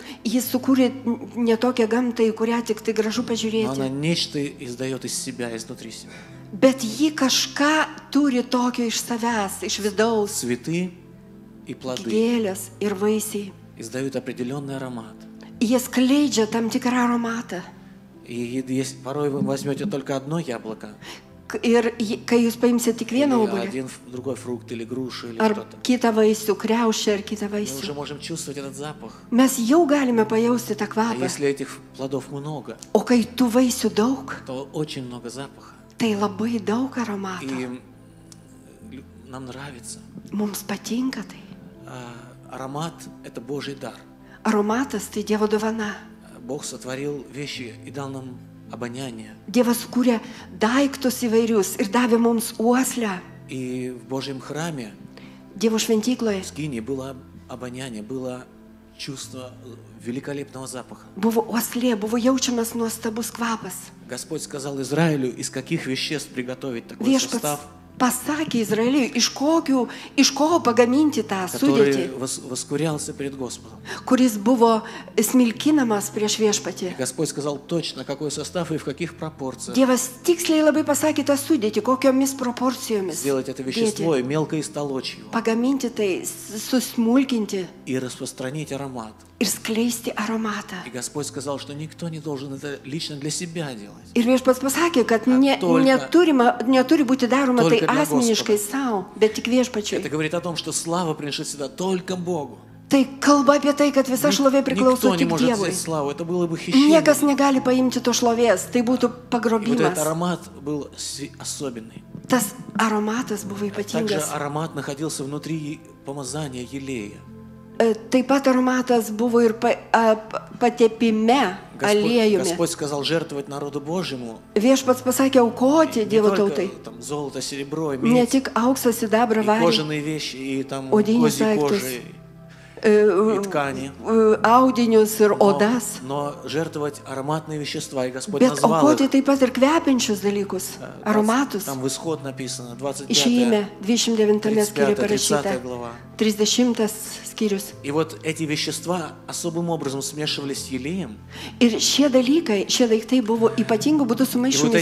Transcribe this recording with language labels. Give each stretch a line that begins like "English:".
Lithuanian: Jis sukūrė ne tokią gamtą, į kurią tik tai gražu pažiūrėti.
Russian: Но она нечто издает из себя, изнутри себя.
Lithuanian: Bet ji kažką turi tokio iš savęs, iš vidaus.
Russian: Cvety и плоды.
Lithuanian: Gėlės ir vaisiai.
Russian: Издают определенный аромат.
Lithuanian: Jie skleidžia tam tikrą aromatą.
Russian: Порой вы возьмете только одно яблоко.
Lithuanian: Ir kai jūs paimsite tik vieną obuolį.
Russian: Один, другой фрукт или груши, или
Lithuanian: ar kitą vaisių, kriaušę ar kitą vaisių.
Russian: Мы уже можем чувствовать этот запах.
Lithuanian: Mes jau galime pajausti tą kvapą.
Russian: А если этих плодов много,
Lithuanian: o kai tų vaisių daug,
Russian: то очень много запаха.
Lithuanian: Tai labai daug aromato.
Russian: И нам нравится.
Lithuanian: Mums patinka tai.
Russian: Аромат – это Божий дар.
Lithuanian: Ароматас – tai Dievo dovana.
Russian: Бог сотворил вещи и дал нам обоняние.
Lithuanian: Dievas kūrė daiktus įvairius ir davė mums uoslę.
Russian: И в Божьем храме,
Lithuanian: Dievo šventykloje,
Russian: скинии было обоняние, было чувство великолепного запаха.
Lithuanian: Buvo uoslė, buvo jaučiamas nuostabus kvapas.
Russian: Господь сказал Израилю, из каких веществ приготовить такой состав.
Lithuanian: Pasakė Izraeliui, iš kokio pagaminti tą sudėtį,
Russian: воскурялся перед Господом,
Lithuanian: kuris buvo smilkinamas prieš viešpatį.
Russian: Господь сказал точно, какой состав и в каких пропорциях.
Lithuanian: Dievas tiksliai labai pasakė tą sudėtį, kokiomis proporcijomis.
Russian: Сделать это вещество и мелко истолочь его.
Lithuanian: Pagaminti tai, susmulkinti.
Russian: И распространить аромат.
Lithuanian: Ir skleisti aromatą.
Russian: И Господь сказал, что никто не должен это лично для себя делать.
Lithuanian: Ir Viešpats pasakė, kad neturi būti daroma tai asmeniškai sau, bet tik Viešpačiui.
Russian: Это говорит о том, что слава принадлежит всегда только Богу.
Lithuanian: Tai kalba apie tai, kad visa šlovė priklauso tik Dievui.
Russian: Никто не может взять славу, это было бы хищение.
Lithuanian: Niekas negali paimti to šlovės, tai būtų pagrobimas.
Russian: И вот этот аромат был особенный.
Lithuanian: Tas aromatas buvo ypatingas.
Russian: Также аромат находился внутри помазания елея.
Lithuanian: Taip pat aromatas buvo ir patepime aliejumi.
Russian: Господь сказал жертвовать народу Божьему.
Lithuanian: Viešpats pasakė aukoti Dievo tautai.
Russian: Там золото, серебро, медь.
Lithuanian: Не тик аукса, седабра, вари.
Russian: Кожаные вещи и там козьей кожи. И ткани.
Lithuanian: Audinius ir odas.
Russian: Но жертвовать ароматные вещества, и Господь
Lithuanian: bet
Russian: назвал их.
Lithuanian: Bet aukoti taip pat ir kvepiančius dalykus, aromatus.
Russian: Там в исход написано,
Lithuanian: 29 скирі parašyta. 30 скирюс.
Russian: И вот эти вещества особым образом смешивались с елеем.
Lithuanian: Ir šie dalykai, šie daiktai buvo ypatingu būdu sumaišyti